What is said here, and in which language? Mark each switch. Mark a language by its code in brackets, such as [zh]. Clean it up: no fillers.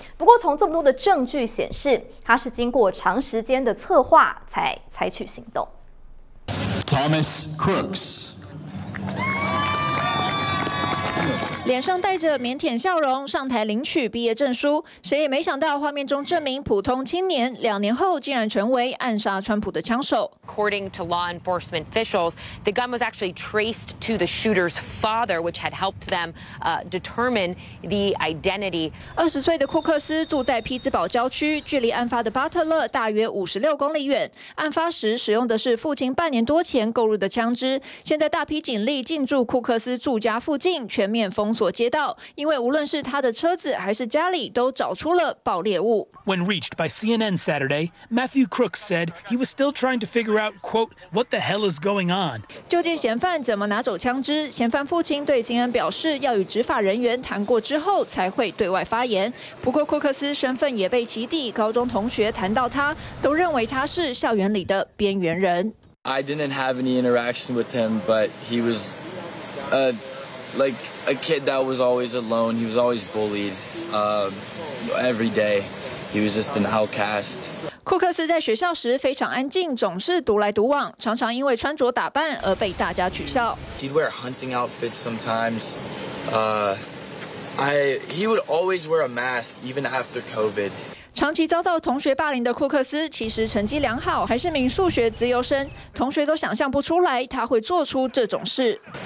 [zh] 不过从这么多的证据显示，他是经过长时间的策划才采取行动。 [en] Thomas Crooks [zh] 脸上带着腼腆笑容上台领取毕业证书，谁也没想到画面中这名普通青年2年后竟然成为暗杀川普的枪手。 [en] According to law enforcement officials, the gun was actually traced to the shooter's father, which had helped them determine the identity. [zh] 20岁的库克斯住在匹兹堡郊区，距离案发的巴特勒大约56公里远。案发时使用的是父亲半年多前购入的枪支，现在大批警力进驻库克斯住家附近，全面封锁街道，因为无论是他的车子还是家里都找出了爆裂物。 [en] When reached by CNN Saturday, Matthew Crooks said he was still trying to figure out, quote, what the hell is going on. [zh] 究竟嫌犯怎么拿走枪支？嫌犯父亲对 CNN 表示，要与执法人员谈过之后才会对外发言。不过库克斯身份也被其弟高中同学谈到他，都认为他是校园里的边缘人。 [en] I didn't have any interaction with him, but he was, a kid that was always alone. He was always bullied. Every day, he was just an outcast. [zh] 库克斯在学校时非常安静，总是独来独往，常常因为穿着打扮而被大家取笑。 [en] He'd wear hunting outfits sometimes. He would always wear a mask even after COVID. [zh] 长期遭到同学霸凌的库克斯其实成绩良好，还是名数学自由生，同学都想象不出来他会做出这种事。